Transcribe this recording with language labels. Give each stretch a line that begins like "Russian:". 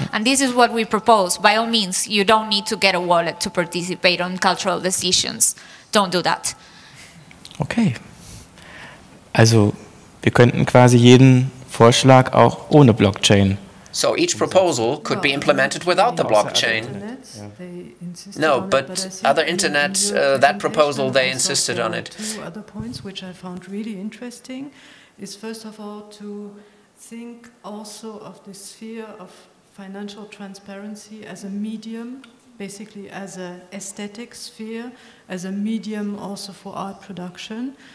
English: And this is what we propose. By all means, you don't need to get a wallet to participate on cultural decisions. Don't do that. Okay.
German: Also, wir könnten quasi jeden Vorschlag auch ohne Blockchain
English: So each proposal could be implemented without the blockchain. No, but other internet, that proposal, they insisted on it. Two other points which I found really interesting is, first of all, to think also of the sphere of financial transparency as a medium, basically as an aesthetic sphere, as a medium also for art production.